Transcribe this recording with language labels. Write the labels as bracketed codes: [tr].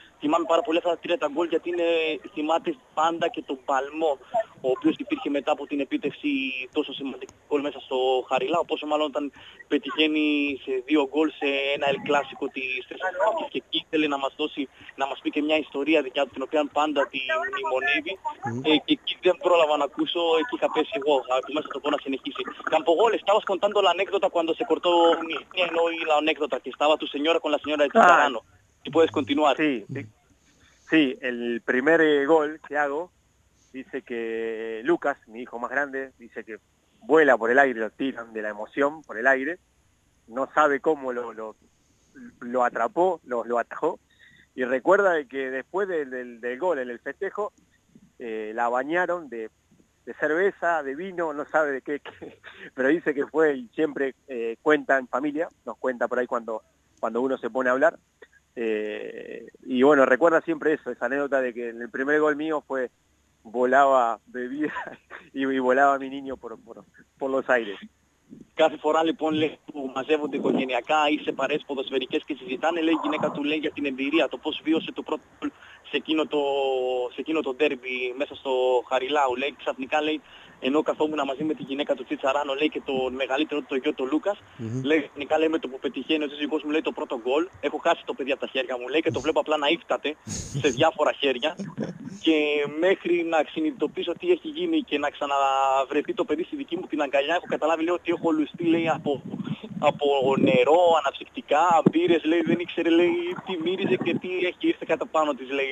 [el] Θυμάμαι πάρα πολύ αυτά τα τρία τα γκολ, γιατί θυμάται πάντα και τον Παλμό, ο οποίος υπήρχε μετά από την επίτευξη τόσο σημαντικό γκολ μέσα στο Χαριλάο, πόσο μάλλον όταν πετυχαίνει σε δύο γκολ σε ένα ελ κλάσικο της Θεσσαλονίκης, και εκεί ήθελε να μας δώσει, να μας πει και μια ιστορία δικιά του, την οποία πάντα τη μνημονεύει. Και εκεί δεν πρόλαβα να ακούσω, εκεί είχα πέσει εγώ, από μέσα το πω να συνεχίσει. [es] Καμπογόλ, estabas contando la anécdota cuando se cortó mi enoí la anécdota, que estaba tu señora con la señora de Tarano. Y puedes continuar. Sí, sí, sí, el primer gol que hago, dice que Lucas, mi hijo más grande, dice que vuela por el aire, lo tiran de la emoción por el aire, no sabe cómo lo atrapó, lo atajó, y recuerda que después del gol, en el festejo, la bañaron de cerveza, de vino, no sabe de qué, pero dice que fue, y siempre cuenta en familia, nos cuenta por ahí cuando uno se pone a hablar. Y bueno, recuerda siempre eso, esa anécdota de que en el primer gol mío fue, volaba bebida y volaba mi niño por los aires. [el] Κάθε φορά λοιπόν, λέει, που μαζεύονται οικογενειακά ή σε παρέες ποδοσφαιρικές και συζητάνε, λέει, η γυναίκα του λέει για την εμπειρία, το πώς βίωσε το πρώτο σε εκείνο το ντέρμπι μέσα στο Χαριλάου. Λέει, ξαφνικά, λέει, ενώ καθόμουν μαζί με τη γυναίκα του Τσιτσαράνο, λέει, και τον μεγαλύτερο του, το γιο του Λούκας, ξαφνικά, λέει, με το που πετυχαίνει ο σύζυγός μου, λέει, το πρώτο γκολ, έχω χάσει το παιδί από τα χέρια μου, λέει, και το βλέπω απλά να ύφταται σε διάφορα χέρια, και μέχρι να συνειδητοποιήσω τι έχει γίνει και να ξαναβρεθεί το παιδί στη δική μου την αγκαλιά, έχω καταλάβει, λέει, ότι έχω λουστεί, λέει, από νερό, αναψυκτικά, μπύρες, λέει, δεν ήξερε, λέει, τι μύριζε και τι έχει ήρθε κατά πάνω της, λέει.